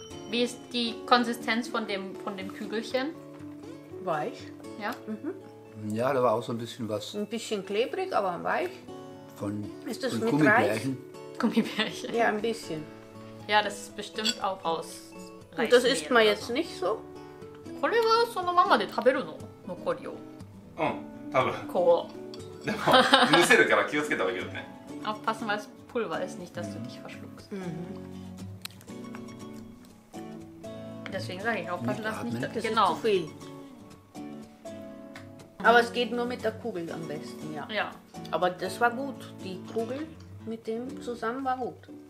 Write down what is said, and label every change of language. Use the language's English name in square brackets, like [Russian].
[German] Wie ist die Konsistenz von dem Kügelchen? Weich. Ja? Ja, da war auch so ein bisschen was. Ein bisschen klebrig, aber weich. von ist das mit Gummibärchen. Reis? Gummibärchen. Ja, ein bisschen. Ja, das ist bestimmt auch aus Reis. Und das isst man jetzt so. Nicht so? [Japanese] これはそのままで食べるの残りを。うん、多分。こう。でも、むせるから気をつけた方がいいよね。 [German] Aufpassen, weil das Pulver ist nicht, dass du dich verschluckst. Mhm. Deswegen sage ich, aufpassen, dass nicht das genau. Ist zu viel. Aber es geht nur mit der Kugel am besten, ja. Ja. Aber das war gut. Die Kugel mit dem zusammen war gut.